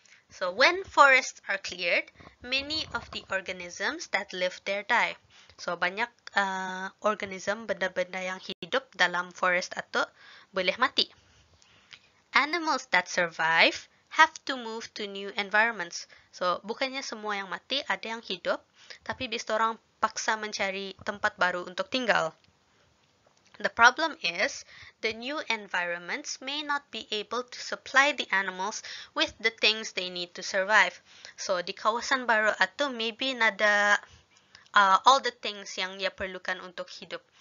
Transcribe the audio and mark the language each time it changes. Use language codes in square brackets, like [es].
[en] So when forests are cleared, many of the organisms that live there die. [ms] So banyak organism, benda-benda yang hidup dalam forest itu boleh mati. [en] Animals that survive have to move to new environments. [ms] So bukannya semua yang mati, ada yang hidup, tapi bisa orang paksa mencari tempat baru untuk tinggal. [en] The problem is, the new environments may not be able to supply the animals with the things they need to survive. [ms] So, di kawasan baru itu, maybe nada all the things yang ia perlukan untuk hidup.